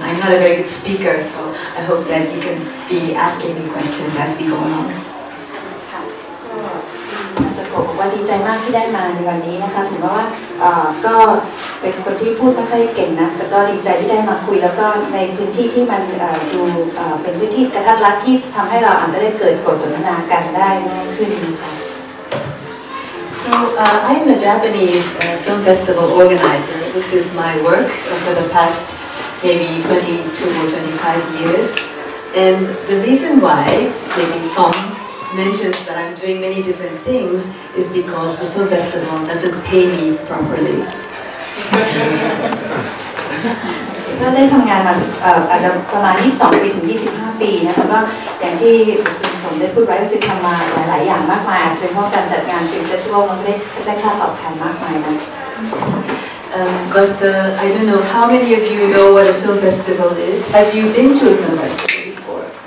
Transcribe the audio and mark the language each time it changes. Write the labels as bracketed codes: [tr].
[en] I'm not a very good speaker, so I hope that you can be asking me questions as we go along. [th] ค่ะก็บอกว่าดีใจมากที่ได้มาในวันนี้นะคะถึงแม้ว่าก็เป็นคนที่พูดไม่ค่อยเก่งนะแต่ก็ดีใจที่ได้มาคุยแล้วก็ในพื้นที่ที่มันดูเป็นพื้นที่กระทัดรัดที่ทำให้เราอาจจะได้เกิดบทสนทนากันได้ง่ายขึ้น [en] So I am a Japanese film festival organizer. This is my work for the past maybe 22 or 25 years. And the reason why maybe Song mentions that I'm doing many different things is because the film festival doesn't pay me properly. [th] ก็ได้ทำงานมาอาจจะประมาณ22ปีถึง25ปีนะคะก็อย่างที่คุณสมได้พูดไว้ก็คือทำมาหลายๆอย่างมากมายอาจจะเป็นเพราะการจัดงานฟิล์มเฟสติวัลมันได้ค่าตอบแทนมากมายนะ [en] But I don't know how many of you know what a film festival is. Have you been to a film festival before?